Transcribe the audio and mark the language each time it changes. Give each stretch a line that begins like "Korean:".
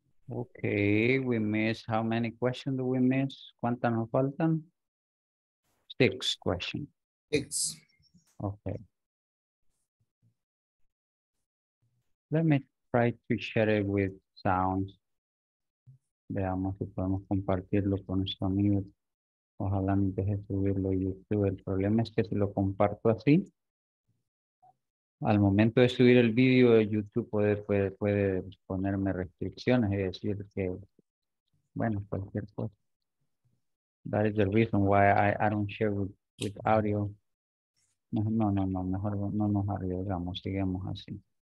English: Okay, we missed, how many questions do we miss?
Spanish: ¿Cuántas nos faltan?
English: 6 questions.
Spanish: 6.
English: Okay. Let me try to share it with sounds.
Spanish: Veamos si podemos compartirlo con sonido. Ojalá me deje subirlo a YouTube. El problema es que si lo comparto así, al momento de subir el video de YouTube puede ponerme restricciones y decir que, bueno, cualquier cosa.
English: That is the reason why I don't share with audio.
Spanish: No, mejor no nos arriesgamos, sigamos así.